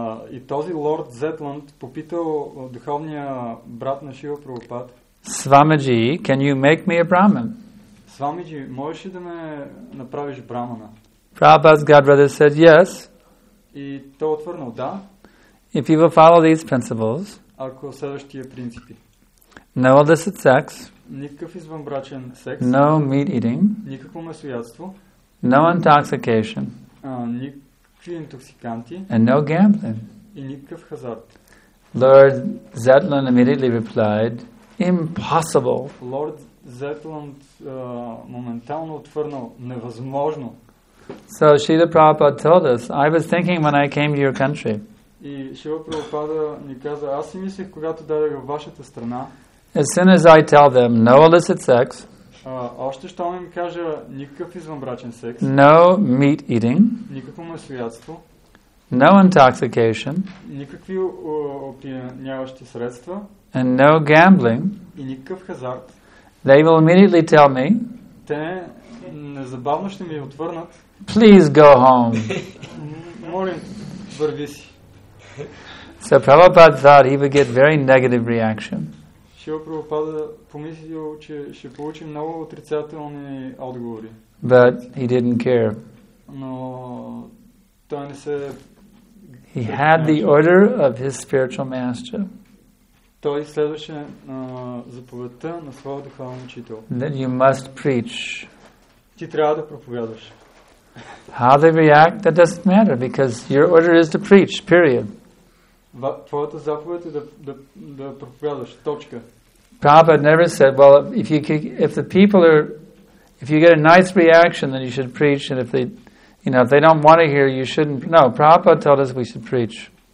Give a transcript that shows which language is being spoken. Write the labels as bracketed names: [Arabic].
[Bulgarian] И този лорд Зетланд попитал духовния брат на Шрила Прабхупад. [English] Swamiji, can you make me a Brahmin? [Bulgarian] Swamiji, можеш ли да ме направиш брахмана? [English] Prabhupada's godbrother said yes. [Bulgarian] И той отвърнал да. [English] If you will follow these principles, [Bulgarian] ако следваш тия принципи. [English] No illicit sex. [Bulgarian] Никакъв извънбрачен секс. [English] No meat eating. [Bulgarian] Никакво месоядство. [English] No intoxication. [Bulgarian] Никакви интоксиканти. [English] And no gambling. [Bulgarian] И никакъв хазарт. [English] Lord Zetland immediately replied, impossible. [Bulgarian] Lord Zetland моментално отвърнал, невъзможно. [English] So Srila Prabhupada told us, I was thinking when I came to your country. [Bulgarian] И Шрила Прабхупада ни каза, аз си мислех, когато дойдох във вашата страна. [English] As soon as I tell them no illicit sex, [Bulgarian] още щом им кажа никакъв извънбрачен секс, [English] no meat eating, [Bulgarian] никакво месоядство, [English] no intoxication, [Bulgarian] никакви опияняващи средства, [English] and no gambling, [Bulgarian] и никакъв хазарт, [English] they will immediately tell me, [Bulgarian] те незабавно ще ми отвърнат, [English] please go home. [Bulgarian] Молим, върви си. [English] So Prabhupada thought he would get very negative reaction. [Bulgarian] Шрила Прабхупада помислил, че ще получи много отрицателни отговори. [English] But he didn't care. [Bulgarian] Но той не се... [English] He had the order of his spiritual master. [Bulgarian] Той следваше заповедта на своя духовен учител. [English] That you must preach. [Bulgarian] Ти трябва да проповядваш. [English] How they react, that doesn't matter, because your order is to preach, period. [Bulgarian] Твоята заповед е да проповядваш. Точка. [English] Prabhupada never said, well, if you get a nice reaction, then you should preach, and if they don't want to hear, you shouldn't. No, Prabhupada told us we should preach.